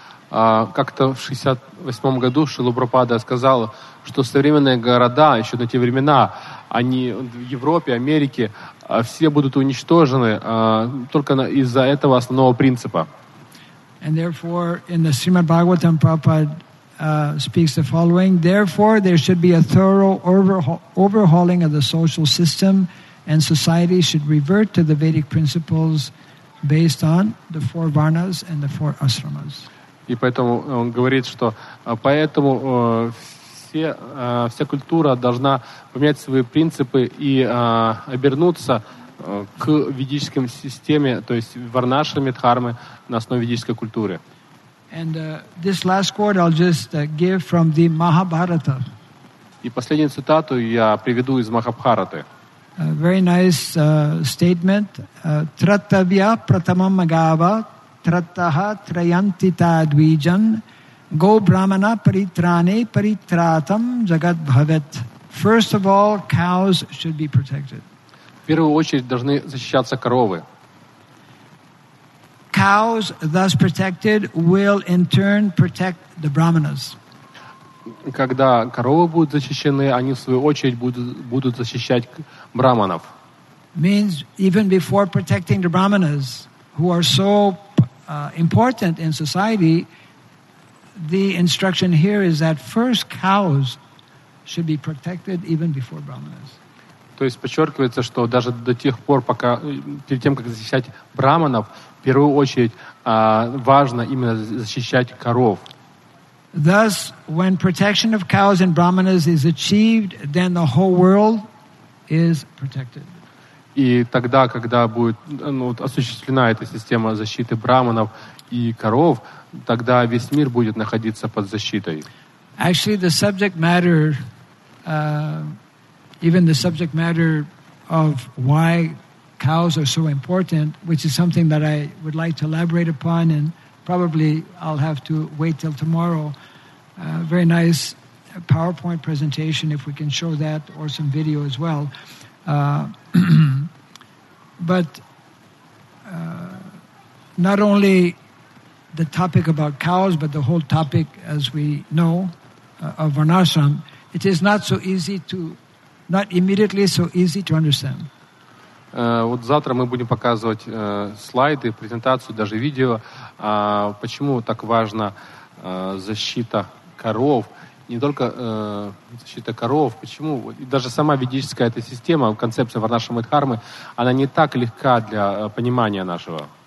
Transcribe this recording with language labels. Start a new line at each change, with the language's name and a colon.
Russian: Как-то в 68-м году Шрила Прабхупада сказал, что современные города, еще на те времена, они в Европе, Америке, все будут уничтожены только из-за этого основного принципа.
English: And therefore, in the Srimad Bhagavatam, Prabhupada speaks the following. Therefore, there should be a thorough overhauling of the social system, and society should revert to the Vedic principles based on the four varnas and the four ashramas.
Russian: И поэтому он говорит, что поэтому вся культура должна поменять свои принципы и обернуться к ведическим системе, то есть варнашрами, дхармы на основе ведической культуры.
English: And this last quote I'll just give from the Mahabharata.
Russian: И последнюю цитату я приведу из Махабхараты.
English: A very nice statement.
Sanskrit: Tratavya pratamam magava trataha trayantita dvijan go brahmana paritrane paritratam jagat bhavet.
English: First of all, cows should be protected.
Russian: В первую очередь должны защищаться коровы.
English: Cows thus protected will in turn protect the brahmanas.
Russian: Когда коровы будут защищены, они в свою очередь будут защищать брахманов.
English: Means even before protecting the brahmanas, who are so important in society, the instruction here is that first cows should be protected even before brahmanas.
Russian: То есть подчеркивается, что даже до тех пор, пока перед тем, как защищать брахманов, в первую очередь важно именно защищать коров.
English: Thus, when protection of cows and brahmanas is achieved, then the whole world is protected.
Russian: И тогда, когда будет осуществлена эта система защиты браманов и коров, тогда весь мир будет находиться под защитой.
English: Actually, the subject matter, even the subject matter of why cows are so important, which is something that I would like to elaborate upon, and probably I'll have to wait till tomorrow. Very nice PowerPoint presentation, if we can show that, or some video as well. but not only the topic about cows, but the whole topic, as we know, of Varnashram, it is not so easy to, not immediately so easy to understand.
Russian: Вот завтра мы будем показывать слайды, презентацию, даже видео, почему так важна защита коров. Не только защита коров, почему даже сама ведическая эта система, концепция Варнашрама Дхармы, она не так легка для понимания нашего.